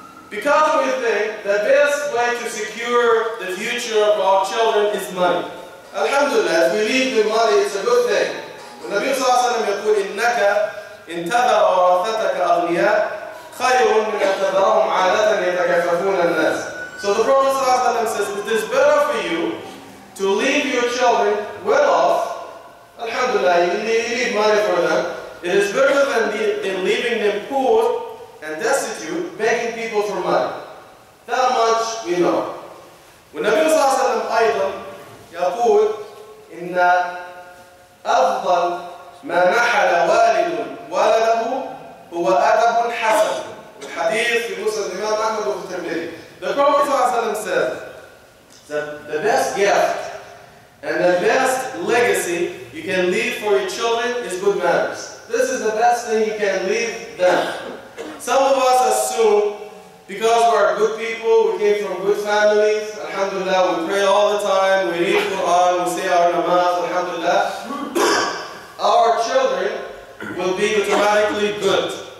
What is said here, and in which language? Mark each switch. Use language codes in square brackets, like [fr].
[en] Because we think the best way to secure the future of our children is money. Alhamdulillah, if we leave the money, it's a good thing. [ar] النبي صلى الله عليه وسلم يقول إنك إن تذر ورثتك أغنياء خير من أن تذرهم عادة يتكففون الناس. [en] So the Prophet صلى الله عليه وسلم says it is better for you to leave your children children well off, alhamdulillah, you need money for them, it is better than leaving them poor and destitute, begging people for money. That much we know. When Nabi Sallallahu Alaihi Wasallam [ar] يقول إن أفضل ما نحل والد ولده هو أدب حسن. الحديث في مسند الإمام أحمد وفي الترمذي. [en] The Prophet Sallallahu Alaihi Wasallam said that the best gift and the best legacy you can leave for your children is good manners. This is the best thing you can leave them. Some of us assume because we are good people, we came from good families, alhamdulillah, we pray all the time, we read Quran, we say our namaz, alhamdulillah, our children will be automatically good.